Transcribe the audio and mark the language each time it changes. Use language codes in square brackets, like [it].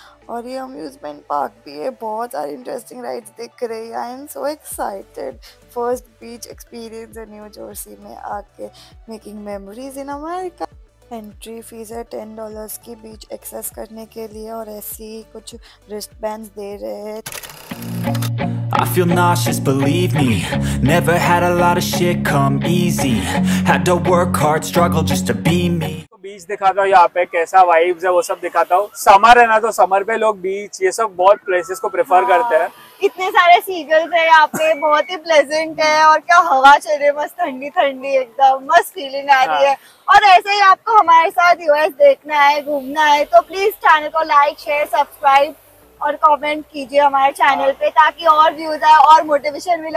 [hi] और ये amusement park भी है. बहुत सारे इंटरेस्टिंग राइड्स दिख रहे हैं. [en] I am so excited. [hi] First beach experience है न्यू जर्सी में आके [en] Making memories in America. [hi] Entry fees है $10 की बीच एक्सेस करने के लिए. और ऐसी कुछ रिस्ट बैंड दे रहे हैं. [en] I feel nauseous, believe me. Never had a lot of shit come easy. Had to work hard, struggle just to be me. [hi] बीच दिखाता हूँ यहाँ पे, कैसा वाइब्स है वो सब दिखाता हूँ. समर है ना, तो समर पे लोग बीच ये सब बहुत प्लेसेस को प्रेफर करते हैं. इतने सारे सीगल्स है यहाँ पे. बहुत ही प्लेजेंट है. और क्या हवा चल रही है, मस्त ठंडी ठंडी, एकदम मस्त फीलिंग आ रही है. और ऐसे ही आपको हमारे साथ यूएस देखना है, घूमना है, तो प्लीज चैनल को लाइक, शेयर, सब्सक्राइब और कमेंट कीजिए हमारे चैनल पे, ताकि और व्यूज आए और मोटिवेशन मिले.